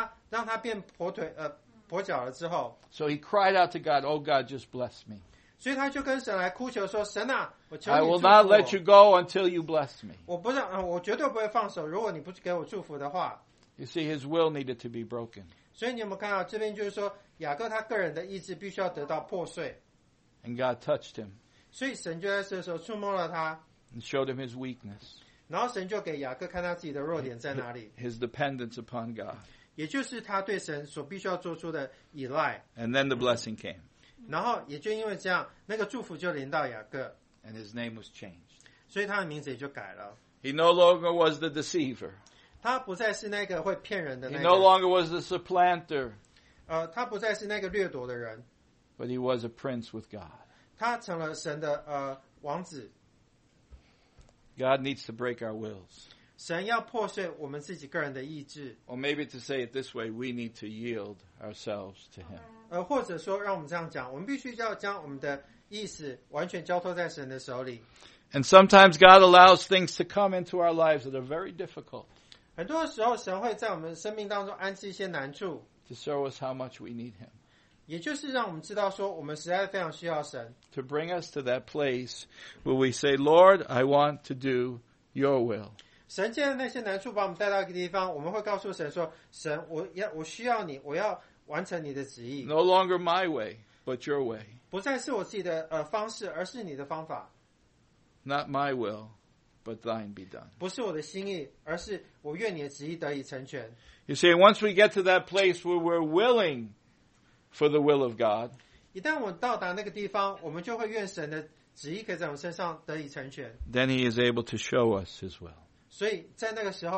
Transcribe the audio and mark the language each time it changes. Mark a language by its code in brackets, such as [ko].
[zh] 只有当神来触摸他，让他变跛腿跛脚了之后。 [en] So he cried out to God, "Oh God, just bless me." [zh] 所以他就跟神来哭求说，神啊。 [en] I will not let you go until you bless me. [zh] 我绝对不会放手，如果你不给我祝福的话。 [en] You see, his will needed to be broken. [zh] 所以你有没有看到，这边就是说，雅各他个人的意志必须要得到破碎。 [en] And God touched him. [zh] 所以神就在这时候触摸了他。 [en] And showed him his weakness. [zh] 然后神就给雅各看他自己的弱点在哪里。 [en] His dependence upon God. [zh] 也就是他对神所必须要做出的依赖。 [en] And then the blessing came. [zh] 然后也就因为这样，那个祝福就临到雅各。 [en] And his name was changed. [zh] 所以他的名字也就改了。 [en] He no longer was the deceiver. [zh] 他不再是那个会骗人的那个。 [en] He no longer was the supplanter. [zh] 他不再是那个掠夺的人。 [en] But he was a prince with God. [zh] 他成了神的王子。 [en] God needs to break our wills. [zh] 神要破碎我们自己个人的意志。 [en] Or maybe to say it this way, we need to yield ourselves to him. [zh] 或者说让我们这样讲，我们必须要将我们的 [en] And sometimes God allows things to come into our lives that are very difficult. To show us how much we need Him. To bring us to that place where we say, Lord, I want to do your will. No longer my way, but your way. [zh] 不再是我自己的方式，而是你的方法。 [en] Not my will, but thine be done. [zh] 不是我的心意，而是我愿你的旨意得以成全。 [en] You see, once we get to that place where we're willing for the will of God, [zh] 一旦我到达那个地方，我们就会愿神的旨意可以在我们身上得以成全。 [en] Then he is able to show us his will.